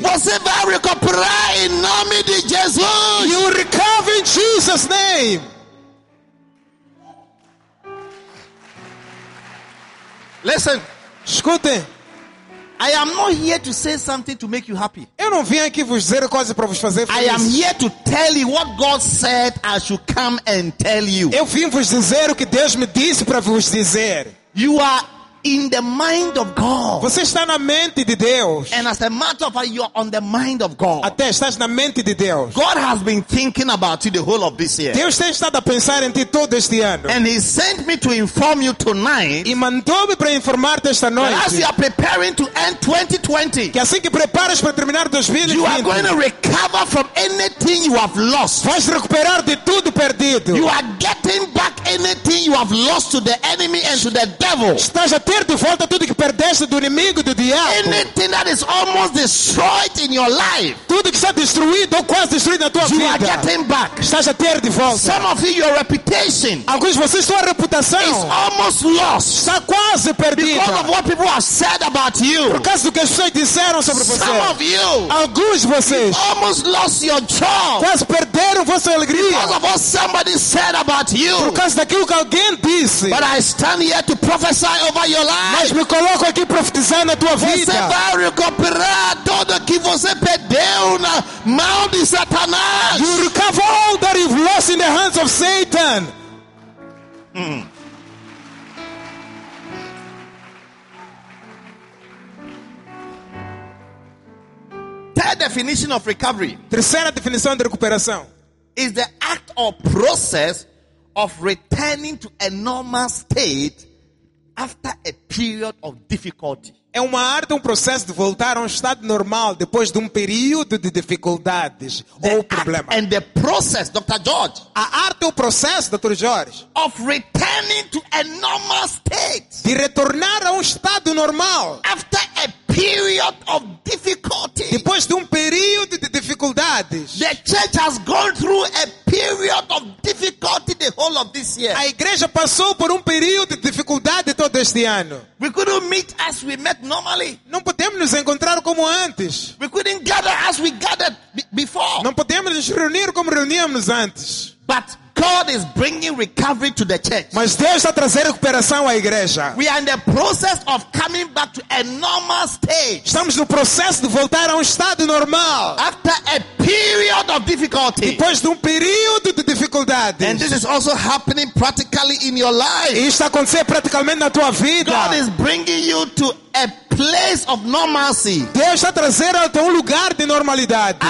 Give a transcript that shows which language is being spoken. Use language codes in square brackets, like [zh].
[pt] Você vai recuperar em nome de Jesus. [en] You will recover in Jesus' name. Listen. [pt] Escutem. [en] I am not here to say something to make you happy. [pt] Eu não vim aqui vos dizer coisas para vos fazer feliz. [en] I am here to tell you what God said I should come and tell you. [pt] Eu vim vos dizer o que Deus me disse para vos dizer. [en] You are in the mind of God. [pt] Você está na mente de Deus. [en] And as a matter of fact, you are on the mind of God. [pt] Até estás na mente de Deus. [en] God has been thinking about you the whole of this year. [pt] Deus tem estado a pensar em ti todo este ano. [en] And he sent me to inform you tonight. [pt] E mandou-me para informar-te esta noite. [en] As you are preparing to end 2020. [pt] Que assim que preparas para terminar 2020. [en] You are going to recover from anything you have lost. [pt] Vais recuperar de tudo perdido. [en] You are getting back anything you have lost to the enemy and to the devil. [pt] Estás a ter de volta tudo que perdeste do inimigo e do diabo. [en] Anything that is almost destroyed in your life. [pt] Tudo que está destruído ou quase destruído na tua vida. [en] You are getting back. [pt] Estás a ter de volta. [en] Some of you, your reputation. [pt] Alguns de vocês, sua reputação. [en] Is almost lost. [pt] Está quase perdida. [en] Because of what people have said about you. [pt] Por causa do que as pessoas disseram sobre você. [en] Some of you. [pt] Alguns de vocês. [en] Almost lost your job. [pt] Quase perderam vossa alegria. [en] Because of what somebody said about you. [pt] Por causa daquilo que alguém disse. [en] But I stand here to prophesy over your life. [pt] Mas me coloco aqui profetizando a tua vida. Você vai recuperar tudo que você perdeu na mão de Satanás. [en] You recover all that you've lost in the hands of Satan. Third definition of recovery. [pt] Terceira definição de recuperação. [en] Is the act or process of returning to a normal state after a period of difficulty. [pt] É uma arte, um processo de voltar a um estado normal depois de um período de dificuldades ou problema. [en] And the process, Dr. George. [pt] A arte, o processo, Dr. George. [en] Of returning to a normal state. [pt] De retornar a um estado normal. [en] After a period of difficulty. [pt] Depois de um período de dificuldades. [en] The church has gone through a period of difficulty the whole of this year. [pt] A igreja passou por um período de dificuldade todo este ano. [en] We couldn't meet as we met normally. [pt] Não podemos nos encontrar como antes. [en] We couldn't gather as we gathered before. [pt] Não podemos nos reunir como reuníamos antes. [en] But God is bringing recovery to the church. [pt] Mas Deus está trazendo recuperação à igreja. [en] We are in the process of coming back to a normal stage. [pt] Estamos no processo de voltar a um estado normal. [en] After a period of difficulty. [pt] Depois de um período de dificuldades. [en] And this is also happening practically in your life. [pt] E isso acontece praticamente na tua vida. [en] God is bringing you to a place of normalcy. [pt] Deus está trazendo até um lugar de normalidade.